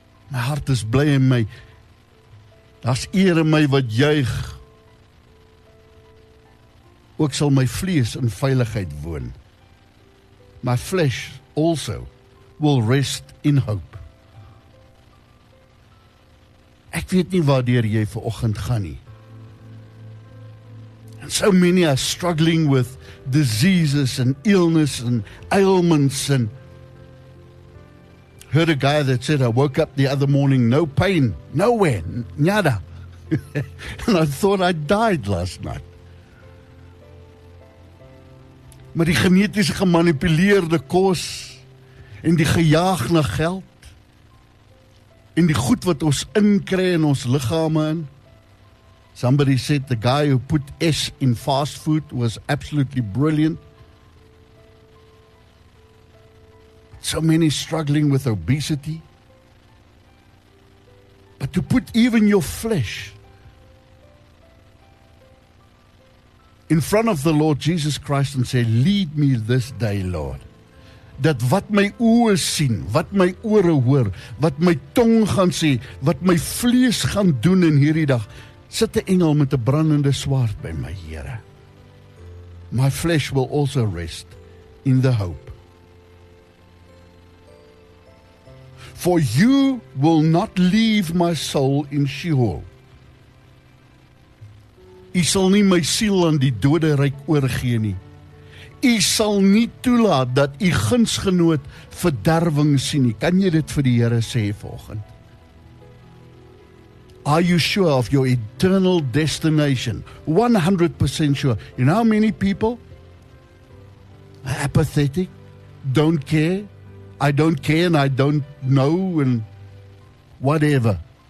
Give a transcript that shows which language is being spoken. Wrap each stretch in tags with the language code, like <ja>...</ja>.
<af>My heart is bly in my, daar's eer in my wat juig. Ook sal my vlees in veiligheid woon.</af> <en>My flesh also will rest in hope.</en> <af>Ek weet nie waardeur jy vanoggend gaan nie.</af> <en>And so many are struggling with diseases and illness and ailments. And heard a guy that said, I woke up the other morning, no pain, nowhere, nada. And I thought I died last night.</en> <af>Maar die genetiese gemanipuleerde kos en die gejaag na geld in die goed wat ons inkry in ons liggame in.</af> <en>Somebody said the guy who put S in fast food was absolutely brilliant. So many struggling with obesity. But to put even your flesh in front of the Lord Jesus Christ and say, lead me this day, Lord.</en> <af>Dat wat my oë sien, wat my ore hoor, wat my tong gaan sê, wat my vlees gaan doen in hierdie dag, sit 'n engel met 'n brandende swaard by my Here.</af> <en>My flesh will also rest in the hope. For you will not leave my soul in Sheol.</en> <af>U sal nie my siel aan die doderyk oorgee nie. U sal nie toelaat dat u gunsgenoot verderwing sien nie. Kan jy dit vir die Here sê vanoggend?</af> <en>Are you sure of your eternal destination? 100% sure. You know how many people are apathetic, don't care, I don't care and I don't know and whatever.</en>